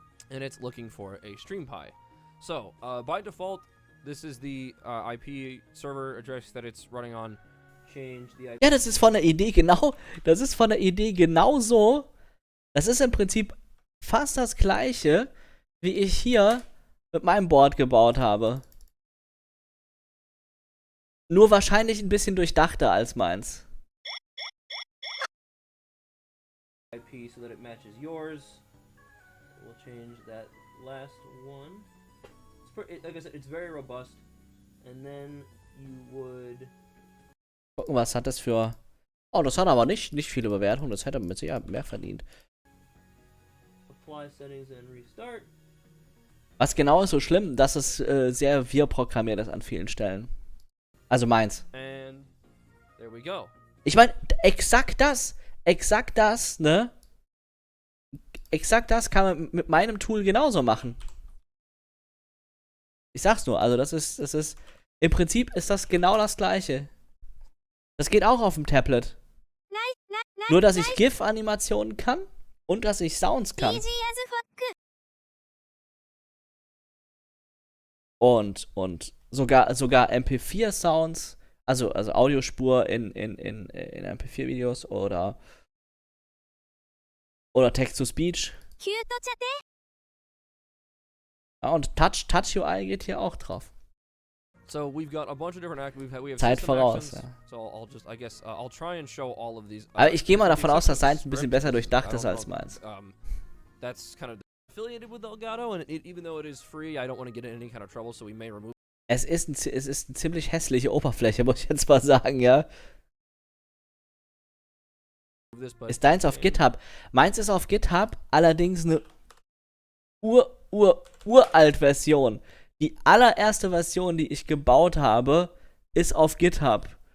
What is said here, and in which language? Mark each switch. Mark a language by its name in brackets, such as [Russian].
[English] And it's looking for a Stream Pi. So, by default, this is the IP server address that it's running on. [German] Change the IP. Ja, das ist von der Idee genau. Das ist von der Idee genau so. Das ist im Prinzip fast das gleiche, wie ich hier mit meinem Board gebaut habe. Nur wahrscheinlich ein bisschen durchdachter als meins. [English] IP, so that it matches yours. We'll change that last one. It's like I said, it's very robust. And then you would... [German] Gucken, was hat das für... Oh, das hat aber nicht viele Bewertungen, das hätte mit Sicherheit mehr verdient. [English] Apply settings and restart. [German] Was genau ist so schlimm, dass es sehr wir programmiert ist an vielen Stellen. Also meins. [English] And there we go. [German] Ich meine, exakt das, ne? Exakt das kann man mit meinem Tool genauso machen. Ich sag's nur, also das ist, im Prinzip ist das genau das gleiche. Das geht auch auf dem Tablet. [English] Nice. [German] Nur, dass ich GIF-Animationen kann und dass ich Sounds kann. Und sogar MP4-Sounds, also Audiospur in MP4-Videos oder Text-to-Speech. Ja, und Touch-UI geht hier auch drauf. [English] So we've got a bunch of different actions. [German] Zeit voraus. [English] So I'll just, I guess, I'll try and show all of these. [German] Aber ich gehe mal davon aus, dass seins ein bisschen besser durchdacht ist als meins. [English] That's kind of affiliated with Elgato, and even though it is free, I don't want to get in any kind of trouble, so we may remove. [German] Es ist eine ziemlich hässliche Oberfläche, muss ich jetzt mal sagen, ja. Ist deins auf GitHub? Meins ist auf GitHub, allerdings eine uralt Version. Die allererste Version, die ich gebaut habe, ist auf GitHub.